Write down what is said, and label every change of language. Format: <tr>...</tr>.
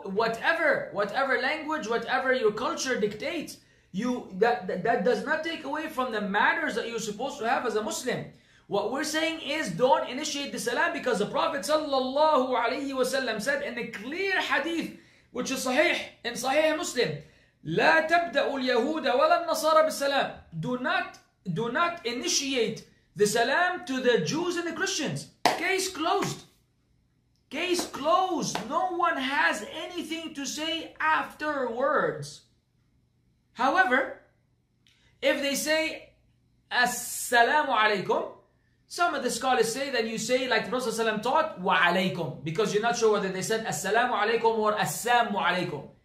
<en>Whatever language, whatever your culture dictates, that does not take away from the manners that you're supposed to have as a Muslim. What we're saying is don't initiate the salam, because the Prophet sallallahu alayhi wasallam said in a clear hadith, which is sahih in Sahih Muslim,</en> <ar>لا تبدأ اليهود ولا النصارى بالسلام.</ar> <en>Do not initiate the salam to the Jews and the Christians. Case closed. Case closed. No one has anything to say afterwards. However, if they say assalamu alaykum, some of the scholars say that you say like the Prophet ﷺ taught, wa alaykum, because you're not sure whether they said assalamu alaykum or assalamu alaykum.</en>